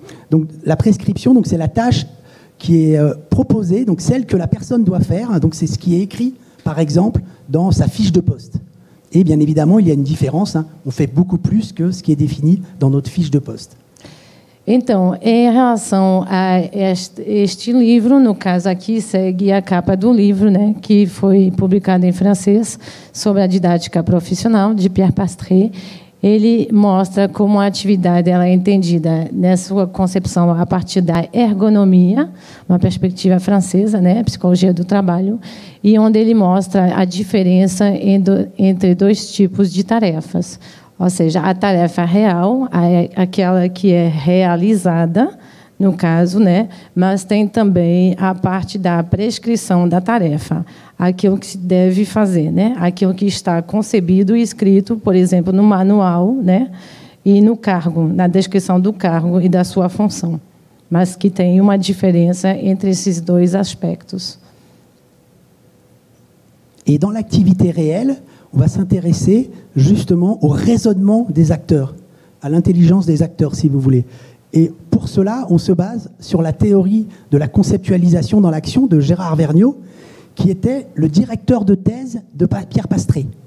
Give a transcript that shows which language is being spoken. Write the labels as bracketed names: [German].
[French] Donc la prescription, donc c'est la tâche qui est proposée, donc celle que la personne doit faire. Donc c'est ce qui est écrit, par exemple, dans sa fiche de poste. Et bien évidemment, il y a une différence. On fait beaucoup plus que ce qui est défini dans notre fiche de poste. [Portuguese] Então, em relação a este livro, no caso aqui segue a capa do livro, né, que foi publicado em francês, sobre a didática profissional, de Pierre Pastret, ele mostra como a atividade ela é entendida nessa sua concepção a partir da ergonomia, uma perspectiva francesa, né, psicologia do trabalho, e onde ele mostra a diferença entre dois tipos de tarefas. Ou seja, a tarefa real, aquela que é realizada, no caso, né? Mas tem também a parte da prescrição da tarefa, aquilo que se deve fazer, né? Aquilo que está concebido e escrito, por exemplo, no manual, né? E no cargo, na descrição do cargo e da sua função. Mas que tem uma diferença entre esses dois aspectos. [French] E dans l'activité réelle, on va s'intéresser justement au raisonnement des acteurs, à l'intelligence des acteurs, si vous voulez. Et pour cela, on se base sur la théorie de la conceptualisation dans l'action de Gérard Vergniaud, qui était le directeur de thèse de Pierre Pastret.